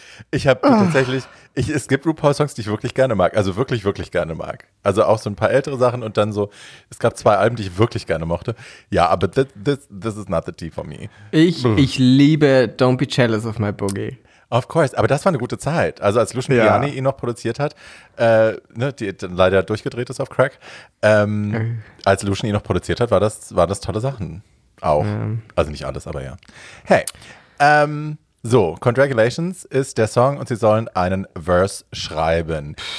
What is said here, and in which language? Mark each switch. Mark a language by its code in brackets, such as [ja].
[de] Ich habe tatsächlich, es gibt RuPaul-Songs, die ich wirklich gerne mag. Also wirklich, wirklich gerne mag. Also auch so ein paar ältere Sachen und dann so, es gab zwei Alben, die ich wirklich gerne mochte. Ja, aber [en] this is not the tea for me. [de] Ich liebe Don't Be Jealous of My Boogie. [en] Of course, [de] aber das war eine gute Zeit. Also als Lucian Gianni ihn noch produziert hat, ne, die leider durchgedreht ist auf Crack, als Lucian ihn noch produziert hat, war das tolle Sachen. Auch. Ja. Also nicht alles, aber ja. Hey, so, Congratulations ist der Song und sie sollen einen Verse schreiben.